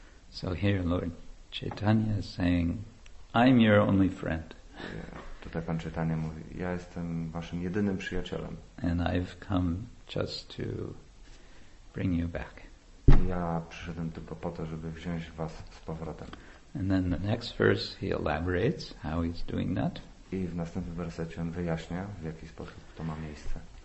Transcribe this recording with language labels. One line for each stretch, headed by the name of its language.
English: So here Lord Chaitanya is saying, I'm your only friend.
Polish: Tutaj Pan Chaitanya mówi, ja jestem waszym jedynym przyjacielem.
English: And I've come just to bring you back.
Polish: Ja przyszedłem tylko po to, żeby wziąć was z powrotem.
English: And then the next verse he elaborates how he's doing that.
Polish: I w następnym wersecie on wyjaśnia, w jaki sposób to ma miejsce.